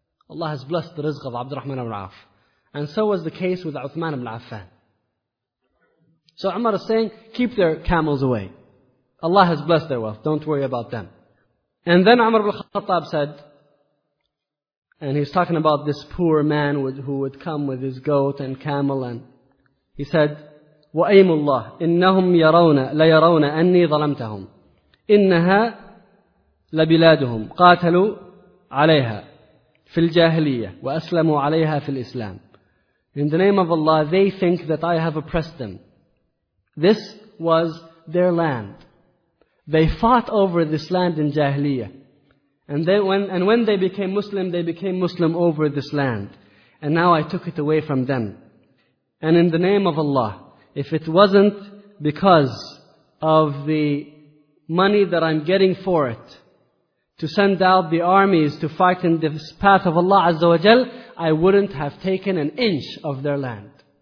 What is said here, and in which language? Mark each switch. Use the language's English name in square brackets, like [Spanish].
[English] Allah has blessed the rizq of Abdurrahman ibn Auf. And so was the case with Uthman ibn Affan. So Umar is saying, keep their camels away. Allah has blessed their wealth. Don't worry about them. And then Umar ibn Khattab said, And he's talking about this poor man who would come with his goat and camel. And he said, [Arabic] وَأَيْمُ اللَّهِ إِنَّهُمْ يَرَوْنَ لَيَرَوْنَ أَنِّي ظَلَمْتَهُمْ إِنَّهَا لَبِلَادُهُمْ قَاتَلُوا عَلَيْهَا فِي الْجَاهِلِيَّةِ وَأَسْلَمُوا عَلَيْهَا فِي الْإِسْلَامِ. [English] In the name of Allah, they think that I have oppressed them. This was their land. They fought over this land in Jahiliyyah. And when they became Muslim, they became Muslim over this land. And now I took it away from them. And in the name of Allah, if it wasn't because of the money that I'm getting for it, to send out the armies to fight in this path of Allah Azza wa Jal, I wouldn't have taken an inch of their land.